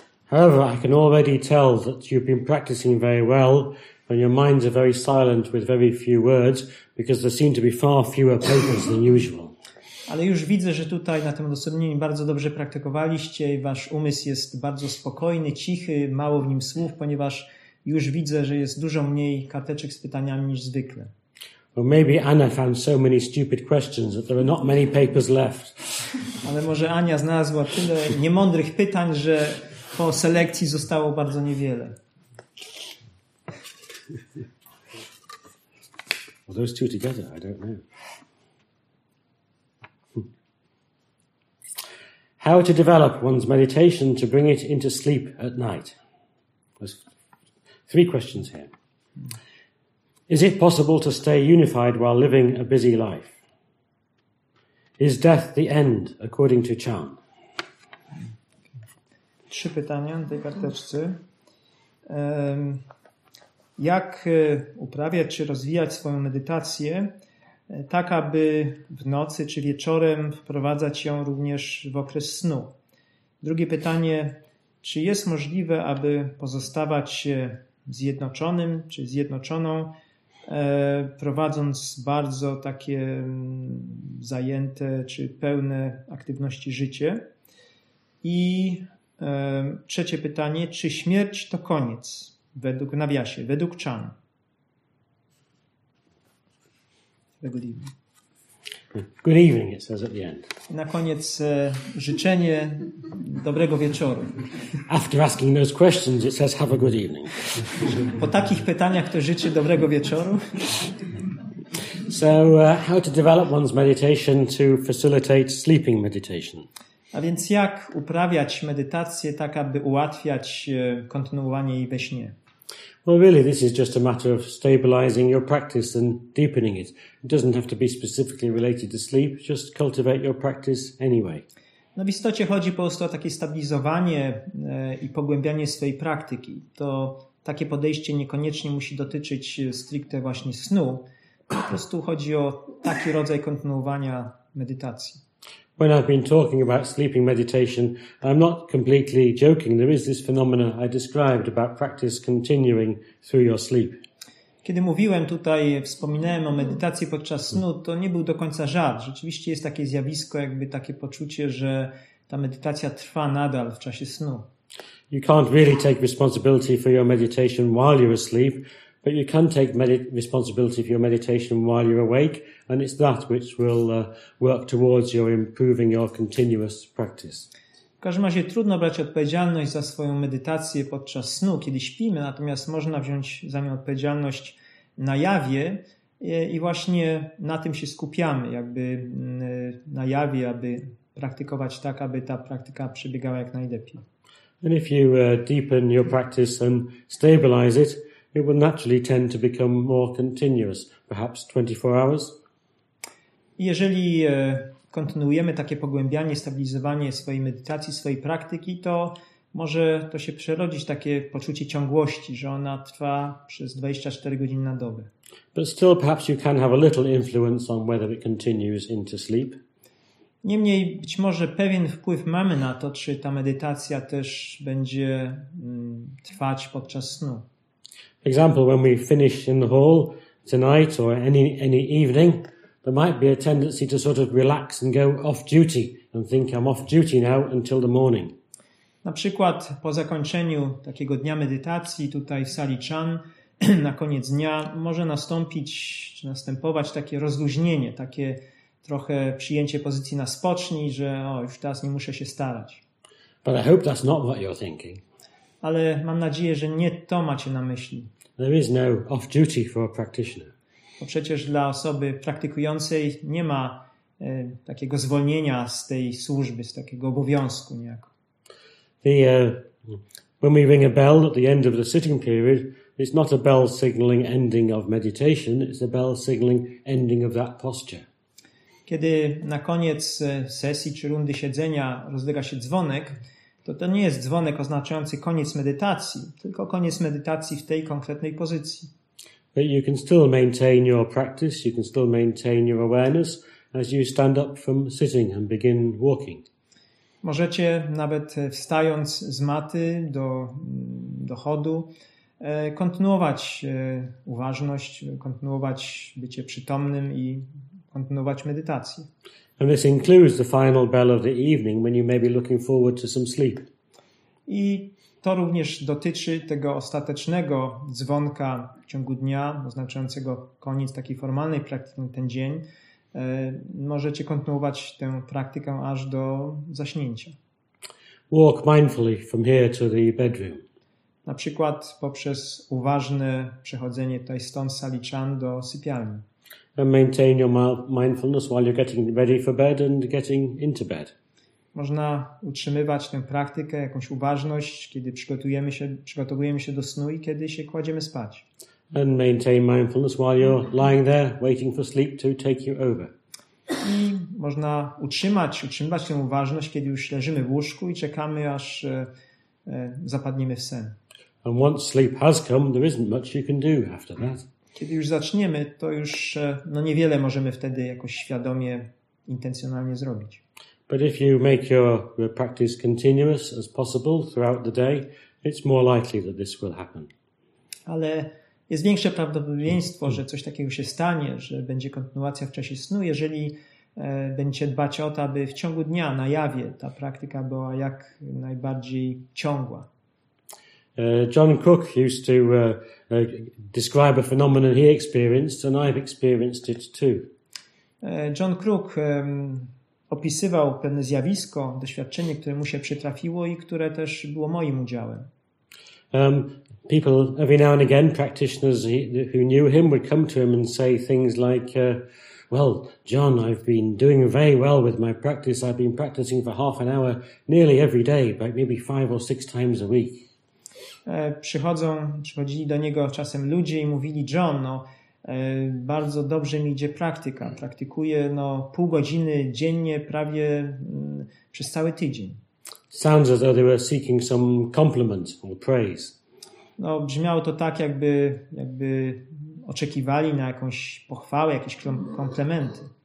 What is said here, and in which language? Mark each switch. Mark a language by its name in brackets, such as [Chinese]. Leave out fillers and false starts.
[English] However, I can already tell that you've been practicing very well and your minds are very silent with very few words because there seem to be far fewer papers than usual. [Polish] Ale już widzę, że tutaj na tym odosobnieniu bardzo dobrze praktykowaliście i wasz umysł jest bardzo spokojny, cichy, mało w nim słów, ponieważ już widzę, że jest dużo mniej karteczek z pytaniami niż zwykle. [English] Well, maybe Anna found so many stupid questions that there are not many papers left. [Polish] Ale może Ania znalazła tyle niemądrych pytań, że po selekcji zostało bardzo niewiele. [English] Well, those two together, I don't know. How to develop one's meditation to bring it into sleep at night? There's three questions here. Is it possible to stay unified while living a busy life? Is death the end according to Chan? [Polish] Trzy pytania na tej karteczce. Jak uprawiać czy rozwijać swoją medytację? Tak, aby w nocy czy wieczorem wprowadzać ją również w okres snu. Drugie pytanie, czy jest możliwe, aby pozostawać się zjednoczonym czy zjednoczoną, prowadząc bardzo takie zajęte czy pełne aktywności życie? I trzecie pytanie, czy śmierć to koniec według nawiasie, według Chan? [English] Good evening, it says at the end. [Polish] Na koniec życzenie dobrego wieczoru. [English] After asking those questions, it says have a good evening. [Polish] Po takich pytaniach to życzy dobrego wieczoru. [English] So, how to develop one's meditation to facilitate sleeping meditation? [Polish] A więc jak uprawiać medytację tak, aby ułatwiać kontynuowanie jej we śnie? [English] Well, really, this is just a matter of stabilizing your practice and deepening it. It doesn't have to be specifically related to sleep, just cultivate your practice anyway. [Polish] No, w istocie chodzi po prostu o takie stabilizowanie i pogłębianie swojej praktyki. To takie podejście niekoniecznie musi dotyczyć stricte właśnie snu. Po prostu chodzi o taki rodzaj kontynuowania medytacji. [English] When I've been talking about sleeping meditation, I'm not completely joking. There is this phenomenon I described about practice continuing through your sleep. [Polish] Kiedy mówiłem tutaj, wspominałem o medytacji podczas snu, to nie był do końca żart. Rzeczywiście jest takie zjawisko, jakby takie poczucie, że ta medytacja trwa nadal w czasie snu. [English] You can't really take responsibility for your meditation while you're asleep, but you can take responsibility for your meditation while you're awake, and it's that which will work towards your improving your continuous practice. [Polish] W każdym razie trudno brać odpowiedzialność za swoją medytację podczas snu, kiedy śpimy, natomiast można wziąć za nią odpowiedzialność na jawie i właśnie na tym się skupiamy, jakby na jawie, aby praktykować tak, aby ta praktyka przebiegała jak najlepiej. [English] And if you deepen your practice and stabilize it, it will naturally tend to become more continuous, perhaps 24 hours. [Polish] Jeżeli kontynuujemy takie pogłębianie, stabilizowanie swojej medytacji, swojej praktyki, to może to się przerodzić takie poczucie ciągłości, że ona trwa przez 24 godziny na dobę. [English] But still perhaps you can have a little influence on whether it continues into sleep. [Polish] Niemniej być może pewien wpływ mamy na to, czy ta medytacja też będzie trwać podczas snu. [English] For example, when we finish in the hall tonight or any evening, there might be a tendency to sort of relax and go off duty and think I'm off duty now until the morning. [Polish] Na przykład po zakończeniu takiego dnia medytacji tutaj w sali Chan, na koniec dnia może nastąpić czy następować takie rozluźnienie, takie trochę przyjęcie pozycji na spoczni, że o, już teraz nie muszę się starać. [English] But I hope that's not what you're thinking. [Polish] Ale mam nadzieję, że nie to macie na myśli. [English] There is no off duty for a practitioner. [Polish] Bo przecież dla osoby praktykującej nie ma takiego zwolnienia z tej służby, z takiego obowiązku niejako. [English] When we ring a bell at the end of the sitting period, it's not a bell signaling ending of meditation, it's a bell signaling ending of that posture. [Polish] Kiedy na koniec sesji czy rundy siedzenia rozlega się dzwonek, to nie jest dzwonek oznaczający koniec medytacji, tylko koniec medytacji w tej konkretnej pozycji. [English] But you can still maintain your practice, you can still maintain your awareness as you stand up from sitting and begin walking. [Polish] Możecie nawet wstając z maty do chodu kontynuować uważność, kontynuować bycie przytomnym i kontynuować medytację. [English] And this includes the final bell of the evening when you may be looking forward to some sleep. [Polish] I to również dotyczy tego ostatecznego dzwonka w ciągu dnia, oznaczającego koniec takiej formalnej praktyki na ten dzień. Możecie kontynuować tę praktykę aż do zaśnięcia. [English] Walk mindfully from here to the bedroom. [Polish] Na przykład poprzez uważne przechodzenie tutaj stąd sali chan do sypialni. [English] And maintain your mindfulness while you're getting ready for bed and getting into bed. [Polish] Można utrzymywać tę praktykę, jakąś uważność, kiedy przygotowujemy się do snu i kiedy się kładziemy spać. [English] And maintain mindfulness while you're lying there waiting for sleep to take you over. [Polish] I można utrzymywać tę uważność, kiedy już leżymy w łóżku i czekamy, aż zapadniemy w sen. [English] And once sleep has come, there isn't much you can do after that. [Polish] Kiedy już zaczniemy, to już niewiele możemy wtedy jakoś świadomie, intencjonalnie zrobić. [English] But if you make your practice continuous as possible throughout the day, it's more likely that this will happen. [Polish] Ale jest większe prawdopodobieństwo, że coś takiego się stanie, że będzie kontynuacja w czasie snu, jeżeli będziecie dbać o to, aby w ciągu dnia, na jawie, ta praktyka była jak najbardziej ciągła. [English] John Cook used to describe a phenomenon he experienced, and I've experienced it too. [Polish] John Cook opisywał pewne zjawisko, doświadczenie, które mu się przytrafiło i które też było moim udziałem. [English] People every now and again, practitioners who knew him would come to him and say things like, "Well, John, I've been doing very well with my practice. I've been practicing for half an hour nearly every day, but maybe 5 or 6 times a week." [Polish] Przychodzili do niego czasem ludzie i mówili: "John, bardzo dobrze mi idzie praktyka. Praktykuję pół godziny dziennie, prawie przez cały tydzień." [English] Sounds as though they were seeking some compliment or praise. [Polish] Brzmiało to tak, jakby oczekiwali na jakąś pochwałę, jakieś komplementy.